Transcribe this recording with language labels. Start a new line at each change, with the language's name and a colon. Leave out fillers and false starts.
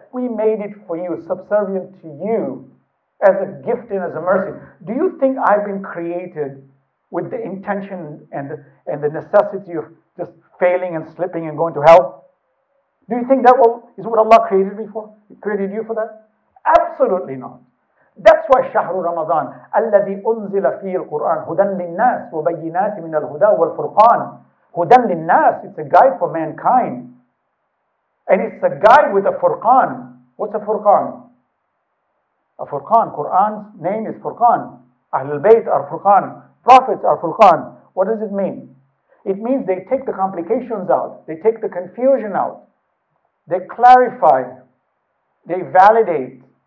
English: We made it for you, subservient to you, as a gift and as a mercy. Do you think I've been created with the intention and the necessity of just failing and slipping and going to hell? Do you think that is what Allah created me for? He created you for that? Absolutely not. That's why Shahr Ramadan,
Arabic: الَّذِي أُنزِلَ فِيهِ الْقُرْآنِ هُدًى لِلنَّاسِ وَبَيِّنَاتِ مِنَ الْهُدَى وَالْفُرْقَانِ. هُدًى لِلنَّاسِ,
English: it's a guide for mankind. And it's a guide with a furqan. What's a furqan? A furqan, Quran's name is furqan. Ahlul Bayt are furqan. Prophets are furqan. What does it mean? It means they take the complications out. They take the confusion out. They clarify. They validate.